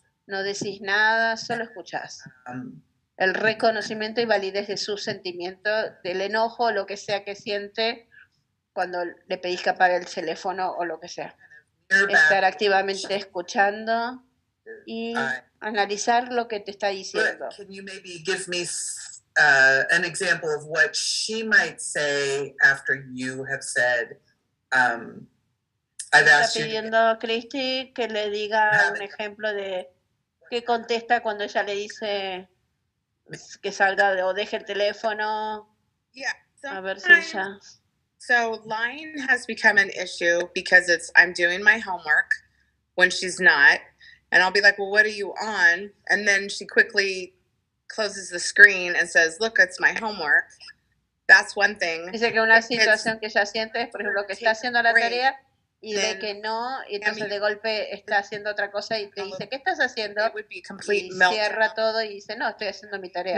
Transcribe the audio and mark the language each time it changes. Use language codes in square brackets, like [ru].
[es] No decís nada, solo escuchás. El reconocimiento y validez de su sentimiento, del enojo, lo que sea que siente cuando le pedís que apague el teléfono o lo que sea. Estar activamente escuchando y analizar lo que te está diciendo. [en] But can you maybe give me an example of what she might say after you have said I've asked you. [es] Está pidiendo Cristi que le diga un ejemplo de qué contesta cuando ella le dice que salga o deje el teléfono. [en] Yeah, [es] a ver si ella. [en] So lying has become an issue because it's I'm doing my homework when she's not. And I'll be like, well, what are you on? And then she quickly closes the screen and says, look, it's my homework. That's one thing. [es] Dice que una situación que ella siente es, por ejemplo, que está haciendo la tarea y ve que no, y entonces de golpe está haciendo otra cosa y te dice, ¿qué estás haciendo? Y cierra todo y dice, no, estoy haciendo mi tarea.